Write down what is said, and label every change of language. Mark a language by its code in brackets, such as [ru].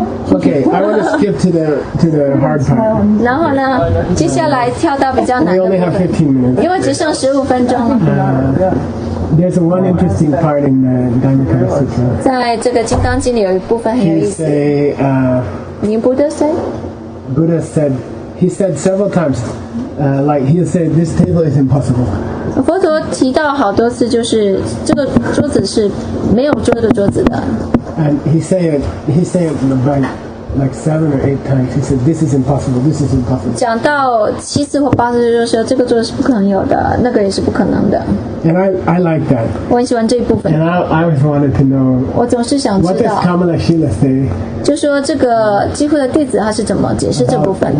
[en] Okay, I want to skip to the hard part. [zh] 然后呢，接下来跳到比较难的。 [en] We only have 15 minutes. [zh] 因为只剩十五分钟了。 [en] There's one interesting part in the Dhammapada Sutra. [zh] 在这个《金刚经》里有一部分很有意思。 [en] He say, Buddha said. Buddha said, he said several times, like he said, this table is impossible. [zh] 佛陀提到好多次，就是这个桌子是没有这个桌子的。 [en] And he said about like seven or eight times. He said, "This is impossible. This is impossible." [zh] 讲到七次或八次，就是说这个桌子是不可能有的，那个也是不可能的。 [en] And I like that. [zh] 我很喜欢这一部分。 [en] And I always wanted to know. [zh] 我总是想知道。 [en] What does Kamala Shila say? [zh] 就说这个几乎的弟子他是怎么解释这部分的